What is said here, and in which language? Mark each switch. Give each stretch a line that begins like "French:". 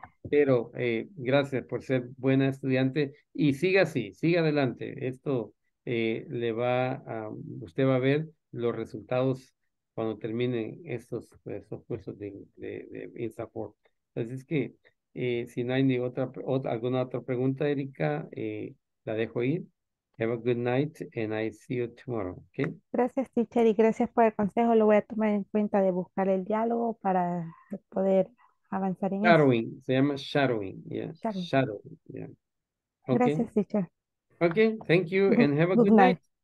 Spanish: Pero gracias por ser buena estudiante y siga así, siga adelante. Esto le va a, usted va a ver los resultados cuando terminen estos cursos de INSAPORT. Así es que, si no hay ni alguna otra pregunta, Erika, la dejo ir.
English: Have a good night and I see you tomorrow. Okay?
Spanish: Gracias, teacher, y gracias por el consejo. Lo voy a tomar en cuenta de buscar el diálogo para poder avanzar en
English: shadowing,
Spanish: eso. Se llama
English: shadowing. Yeah. Shadowing. Yeah.
Spanish: Okay. Gracias, teacher.
English: Okay, thank you and have a good night.